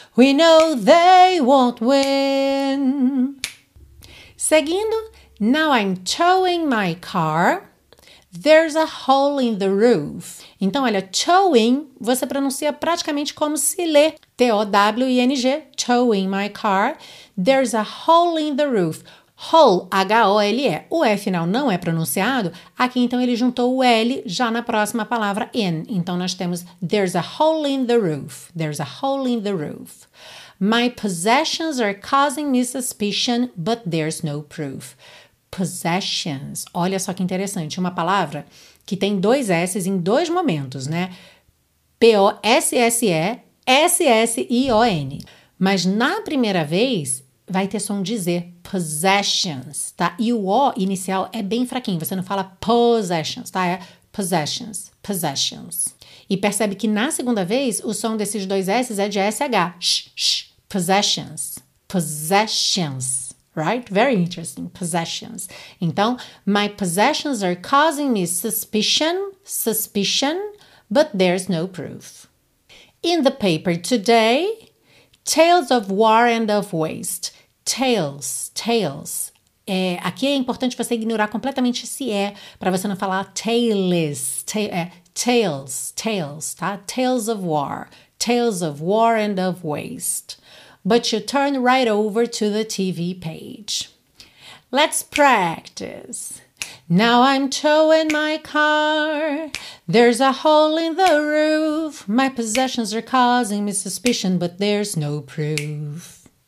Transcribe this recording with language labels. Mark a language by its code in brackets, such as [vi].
[en] We know they won't win. Seguindo, now I'm towing my car. There's a hole in the roof. [pt] Então, olha, towing, você pronuncia praticamente como se lê. [en] T-O-W-I-N-G, towing my car. There's a hole in the roof. Hole, H-O-L-E. [pt] O E final não é pronunciado. Aqui, então, ele juntou o L já na próxima palavra, in. Então, nós temos [en] there's a hole in the roof. There's a hole in the roof. My possessions are causing me suspicion, but there's no proof. Possessions. [pt] Olha só que interessante. Uma palavra que tem dois S em dois momentos, né? P-O-S-S-E, S-S-I-O-N. Mas na primeira vez, vai ter som de Z. Possessions, tá? E o O inicial é bem fraquinho. Você não fala possessions, tá? É possessions, possessions. E percebe que na segunda vez, o som desses dois S é de S-H. [en] Sh, sh, possessions, possessions. Right? Very interesting. Possessions. Então, my possessions are causing me suspicion, suspicion, but there's no proof. In the paper today, Tales of War and of Waste. Tales. [pt] É, aqui é importante você ignorar completamente esse E, para você não falar tales. [en] Tales, tá? Tales of War. Tales of War and of Waste. But you turn right over to the TV page. Let's practice. Now I'm towing my car. There's a hole in the roof. My possessions are causing me suspicion, but there's no proof.